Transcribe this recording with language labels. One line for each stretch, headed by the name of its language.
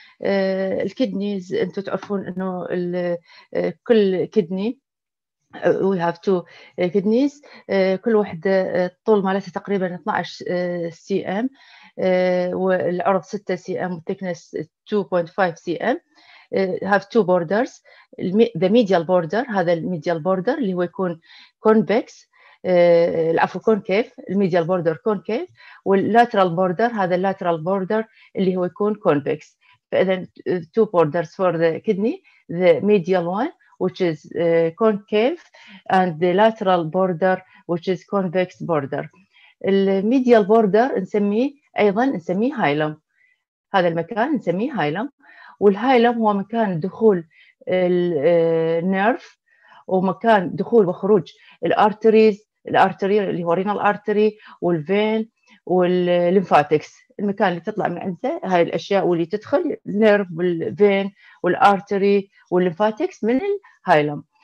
Arabic: الكيدنيز انتم تعرفون انه كل كيدني، وي هاف تو كيدنيز، كل وحده الطول مالتها تقريبا 12 سي ام، والعرض 6 سي ام، والثيكنس 2.5 سي ام.
English: Have two borders. The medial border,
Arabic: هذا الميديال border اللي هو يكون convex، العفو concave، الميديال border concave، واللاترال border هذا اللاترال border اللي هو يكون convex.
English: فإذا two borders for the kidney, the medial one which is concave and the lateral border which is convex border.
Arabic: الميديال border نسميه hilum، هذا المكان نسميه hilum. والهايلم هو مكان دخول النيرف ومكان دخول وخروج الارتريز، الارتري اللي هو رينال ارتري والفين والليمفاتكس، المكان اللي تطلع من عنده هاي الاشياء واللي تدخل النيرف والفين والارتري والليمفاتكس من الهايلم.